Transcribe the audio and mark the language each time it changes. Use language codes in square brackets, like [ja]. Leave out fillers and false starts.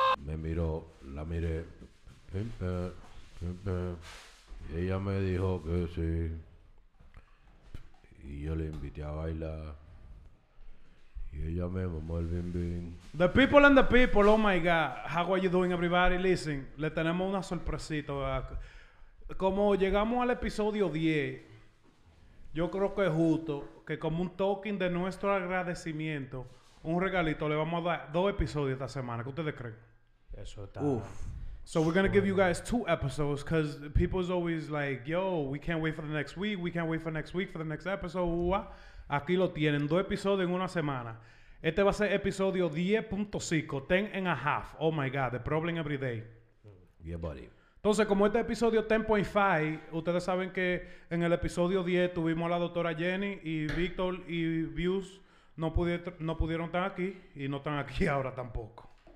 [es] Me miró, la miré. Pimpe, pimpe. Y ella me dijo que sí. Y yo le invité a bailar. Y ella me mamó el bim bim. [en] The people and the people, oh my God. How are you doing, everybody? Listen, [es] le tenemos una sorpresita, ¿verdad? Como llegamos al episodio 10, yo creo que es justo que como un token de nuestro agradecimiento, un regalito, le vamos a dar dos episodios esta semana. ¿Qué ustedes creen? Eso está... Uf. [en] So we're going to give you guys two episodes because people's always like, yo, we can't wait for the next week. We can't wait for next week for the next episode. Uah. [es] Aquí lo tienen, dos episodios en una semana. Este va a ser episodio 10.5, [en] 10 and a half. Oh my God, the problem every day. Yeah, buddy. [es] Entonces, como este episodio 10.5, ustedes saben que en el episodio 10 tuvimos a la doctora Jenny y Víctor y Views no pudieron estar aquí y no están aquí ahora tampoco.